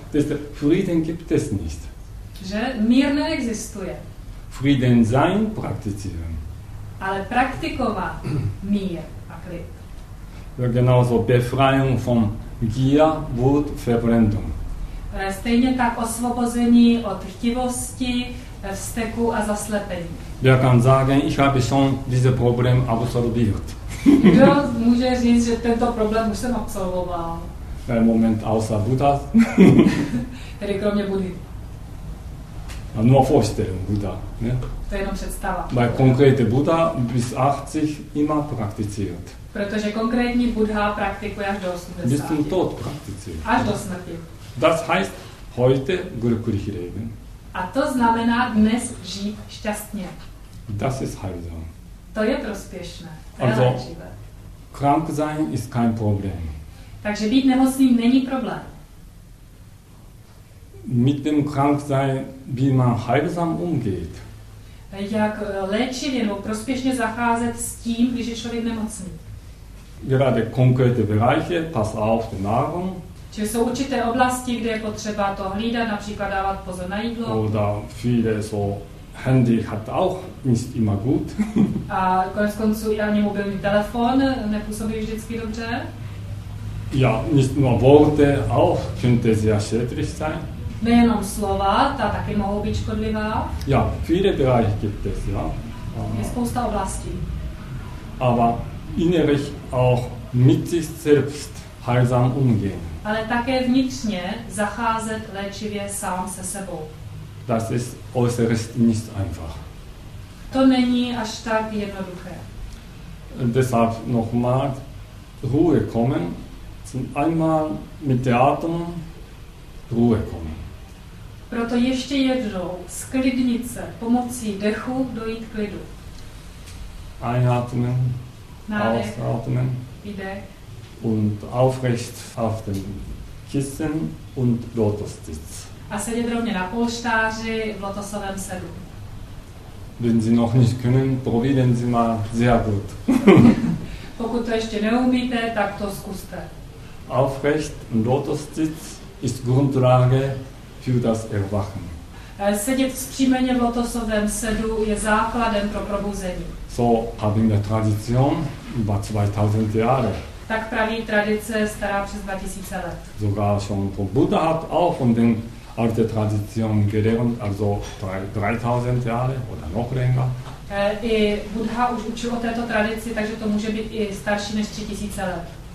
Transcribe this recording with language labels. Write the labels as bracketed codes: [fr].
[de] Das Frieden gibt es nicht. [cs] Že? Mír neexistuje. [de] Frieden sein, praktizieren. [cs] Ale praktikovat mír a klid. [de] Ja, genauso Befreiung von Gier, Wut, Verblendung. [cs] Stejně tak osvobození od chtivosti, vzteku a zaslepení. [de] Wer kann sagen, ich habe schon dieses Problem absolviert. [cs] Kdo může říct, že tento problém už jsem absolvoval? Ten moment [de] außer Buddha. [cs] Tedy kromě Buddhy. [de] A nur Vorstellung Buddha. [cs] Ne? To je jenom představa. [de] Weil konkrétní Buddha bis 80 immer praktiziert. [cs] Protože konkrétní Buddha praktikuje až do 80. [de] Bis zum Tod praktiziert. [cs] Až do smrti. [de] Das heißt, heute glücklich leben. [cs] A to znamená dnes žít šťastně. [de] Das ist heilsam. [cs] To je prospěšné. [de] Also, krank sein ist kein Problem. [cs] Takže být nemocným není problém. [de] Mit dem Kranksein, wie man heilsam umgeht. [cs] Jak léčivě nebo prospěšně zacházet s tím, když je člověk nemocný. [de] Gerade konkrétní Bereiche, pass auf die Nahrung. [cs] Čili jsou určité oblasti, kde je potřeba to hlídat, například dávat pozor na jídlo. [de] Oder viele so Handy hat auch nicht immer gut. [cs] A konec konců i ani mobilní telefon nepůsobí vždycky dobře. [de] Ja, nicht nur Worte auch könnte sehr schädlich sein. [cs] Nejenom slova, ta taky mohou být škodlivá. [de] Ja, viele Bereiche gibt es, ja. [cs] Je spousta oblastí. [de] Aber innerlich auch mit sich selbst heilsam umgehen. [cs] Ale také vnitřně zacházet léčivě sám se sebou. [de] Das ist äußerst nicht einfach. [cs] To není až tak jednoduché. [de] Deshalb nochmal Ruhe kommen. Einmal mit der Atmung Ruhe kommen. [cs] Proto ještě jednou sklidnit se pomocí dechu dojít klidu. [de] Einatmen, ausatmen. Und aufrecht auf dem Kissen und Lotus sitz. [cs] A sedět rovně na polštáři v lotosovém sedu. [de] Wenn Sie noch nicht können, probieren Sie mal sehr gut. [cs] Pokud to ještě neumíte, tak to zkuste. [de] Aufrecht und Lotus sitz ist Grundlage für das Erwachen. [cs] Sedět vzpřímeně v lotosovém sedu je základem pro probuzení. [de] So haben wir Tradition über 2000 Jahre. [cs] Tak praví tradice stará přes 2000 let. [de] Sogar schon von Buddha hat auch von den alte Tradition gelernt, also 3000 Jahre oder noch länger. [cs] I Buddha už učil o této tradici, takže to může být i starší než 3000 let.